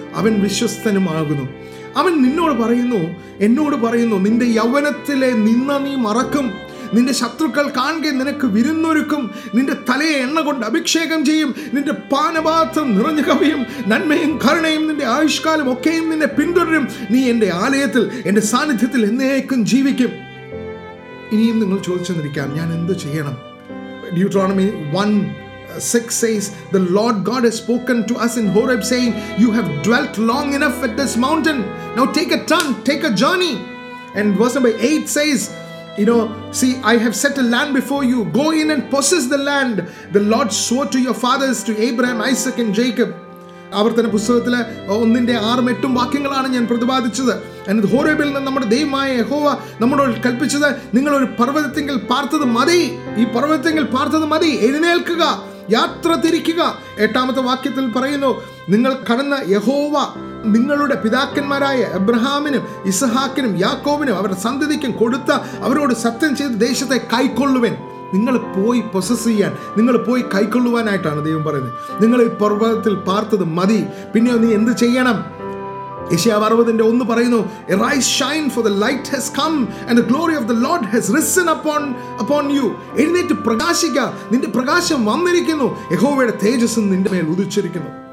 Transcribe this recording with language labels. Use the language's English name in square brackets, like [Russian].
[Malayalam] അവൻ വിശ്വസ്തനുമാകുന്നു. അവൻ നിന്നോട് പറയുന്നു, എന്നോട് പറയുന്നു, നിന്റെ യൗവനത്തിലെ നിന്ന നീ മറക്കും, നിന്റെ ശത്രുക്കൾ കാണുകയും നിനക്ക് വിരുന്നൊരുക്കും, നിന്റെ തലയെ എണ്ണ കൊണ്ട് അഭിഷേകം ചെയ്യും, നിന്റെ പാനപാത്രം നിറഞ്ഞു കവിയും, നന്മയും കരുണയും നിന്റെ ആയുഷ്കാലം ഒക്കെയും നിന്നെ പിന്തുടരും, നീ എൻ്റെ ആലയത്തിൽ എൻ്റെ സാന്നിധ്യത്തിൽ എന്നേക്കും ജീവിക്കും. ഇനിയും നിങ്ങൾ ചോദിച്ചു നിൽക്കാം, ഞാൻ എന്ത് ചെയ്യണം? [English] Deuteronomy 1:6 says, the Lord God has spoken to us in Horeb saying, you have dwelt long enough at this mountain, now take a turn, take a journey. And verse number 8 says, you know, see, I have set a land before you. Go in and possess the land. The Lord swore to your fathers, to Abraham, Isaac, and Jacob. [Malayalam] ആവർത്തന പുസ്തകത്തിലെ 1:6-8 വാക്യങ്ങളാണ് ഞാൻ പ്രതിപാദിച്ചത്. അതിന് ഹോരേബിൽ നിന്ന് നമ്മുടെ ദൈവമായ യഹോവ നമ്മളോട് കൽപ്പിച്ചത്, നിങ്ങളൊരു പർവ്വതത്തെങ്കിൽ പാർത്തത് മതി, ഈ പർവ്വതത്തെങ്കിൽ പാർത്തത് മതി, എഴുന്നേൽക്കുക, യാത്ര തിരിക്കുക. 8 വാക്യത്തിൽ പറയുന്നു, നിങ്ങൾ കടന്ന യഹോവ നിങ്ങളുടെ പിതാക്കന്മാരായ എബ്രഹാമിനും ഇസഹാക്കിനും യാക്കോബിനും അവരുടെ സന്തതിക്കും കൊടുത്ത അവരോട് സത്യം ചെയ്ത ദേശത്തെ കൈക്കൊള്ളുവൻ. നിങ്ങൾ പോയി പ്രൊസസ് ചെയ്യാൻ, നിങ്ങൾ പോയി കൈക്കൊള്ളുവാനായിട്ടാണ് ദൈവം പറയുന്നത്. നിങ്ങൾ ഈ പർവ്വതത്തിൽ പാർത്തത് മതി, പിന്നെ നീ എന്ത് ചെയ്യണം? യെശയ്യാവ് 60:1 പറയുന്നു, [English] Arise, shine, for the light has come and the glory of the Lord has risen upon you. [Malayalam] എഴുന്നേറ്റ് പ്രകാശിക്ക, നിന്റെ പ്രകാശം വന്നിരിക്കുന്നു, യഹോവയുടെ തേജസ് നിന്റെ മേൽ ഉദിച്ചിരിക്കുന്നു.